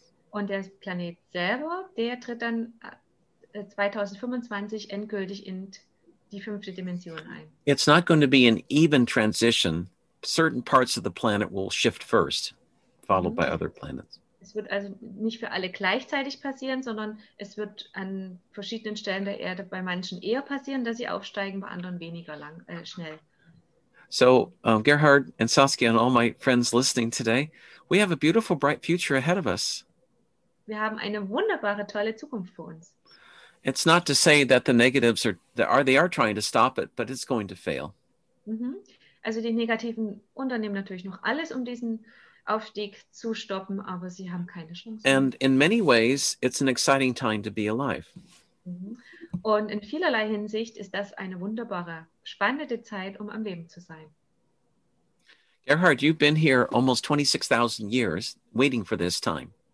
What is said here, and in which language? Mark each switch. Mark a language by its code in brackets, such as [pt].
[de] Und der Planet selber, der tritt dann 2025 endgültig in die fünfte Dimension ein. [en] It's not going to be an even transition. Certain parts of the planet will shift first, followed by other planets. [de] Es wird also nicht für alle gleichzeitig passieren, sondern es wird an verschiedenen Stellen der Erde bei manchen eher passieren, dass sie aufsteigen, bei anderen weniger schnell. [en] So, Gerhard and Saskia and all my friends listening today, we have a beautiful, bright future ahead of us. [de] Wir haben eine wunderbare, tolle Zukunft vor uns. [en] It's not to say that the negatives are trying to stop it, but it's going to fail. Mm-hmm. [de] Also die Negativen unternehmen natürlich noch alles, um diesen Aufstieg zu stoppen, aber sie haben keine Chance. [en] And in many ways, it's an exciting time to be alive. [de] Und in vielerlei Hinsicht ist das eine wunderbare, spannende Zeit, um am Leben zu sein. [en] Gerhard, you've been here almost 26,000 years waiting for this time.